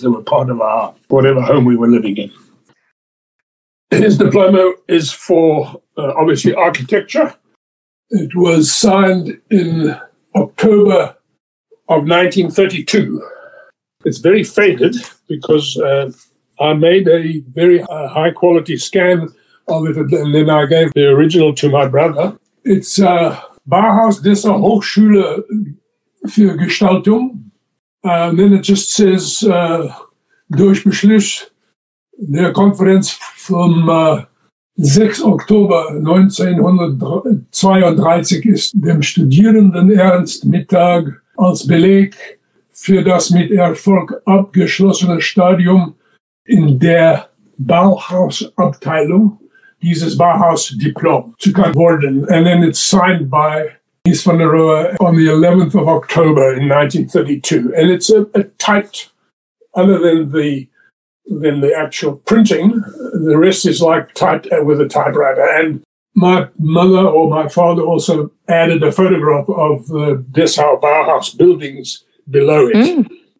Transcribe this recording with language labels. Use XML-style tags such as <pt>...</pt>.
<en>They were part of our whatever home we were living in. His diploma is for, obviously, architecture. It was signed in October of 1932. It's very faded because I made a very high-quality scan of it, and then I gave the original to my brother.</en> <de>It's Bauhaus dieser Hochschule für Gestaltung.</de> <en>And then it just says,</en> <de>durch Beschluss der Konferenz vom 6. Oktober 1932 ist dem Studierenden Ernst Mittag als Beleg für das mit Erfolg abgeschlossene Stadium in der Bauhausabteilung dieses Bauhaus-Diplom zugang worden.</de> <en>And then it's signed by Nies van der Rohe on the 11th of October in 1932. And it's a typed, other than the actual printing, the rest is like typed with a typewriter. And my mother or my father also added a photograph of the Dessau Bauhaus buildings below it. Mm.</en>